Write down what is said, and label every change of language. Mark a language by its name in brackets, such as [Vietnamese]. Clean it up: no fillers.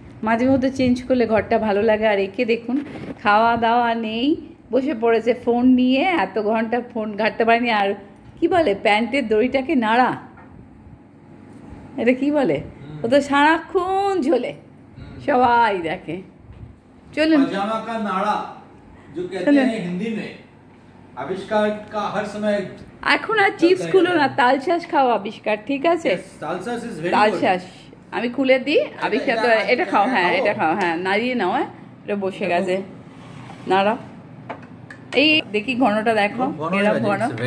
[Bangla] মাঝে মধ্যে চেঞ্জ করলে ঘরটা ভালো লাগে। আর একে দেখুন, খাওয়া দাওয়া নেই, বসে পড়েছে ফোন নিয়ে, এত ঘন্টা ফোন ঘাটতে পারেনি। আর কি বলে প্যান্টের দড়িটাকে নাড়া, এটা কি বলে? ও তো সারাক্ষণ ঝোলে, সবাই দেখে। চলুন, [Hindi] পাজামা কা নাড়া जो कहते हैं हिंदी में, आविष्कार का हर समय। [Bangla] এখন আর চিপস খুলো না, তালশাস খাও আবিষ্কার, ঠিক আছে? [English] তালশাস is very, [Bangla] তালশাস আমি খুলে দিই আবিষ্কার, তো এটা খাও। হ্যাঁ এটা খাও, হ্যাঁ নাড়িয়ে নাও, এটা বসে গেছে, নাড়া। এই দেখি ঘনটা দেখো, এরকম ঘন,